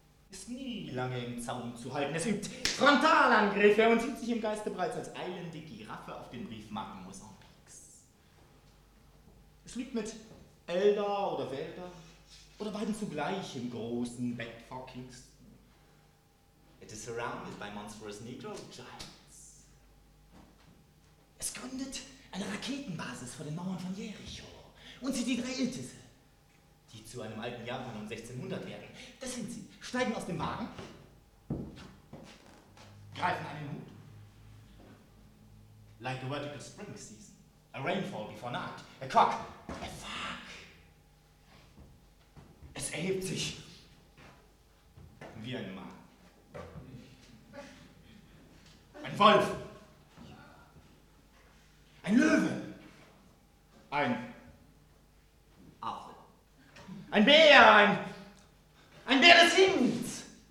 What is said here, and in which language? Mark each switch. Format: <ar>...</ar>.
<de>Ist nie lange im Zaum zu halten. Es übt Frontalangriffe und sieht sich im Geiste bereits als eilende Giraffe auf dem Briefmarken Mosambiks. Es liegt mit Elder oder Wälder oder beiden zugleich im großen Bett vor Kingston.</de> <en>It is surrounded by monstrous Negro Giants.</en> <de>Es gründet eine Raketenbasis vor den Mauern von Jericho und sieht die drei Ältesten, die zu einem alten Jahr von um 1600 werden. Das sind sie. Steigen aus dem Wagen, greifen einen Hut.</de> <en>Like a vertical spring season. A rainfall before night. A cock. A fuck.</en> <de>Es erhebt sich wie ein Mann. Ein Wolf. Ein Löwe. Ein Ein Bär, ein Bär des Himmels.</de>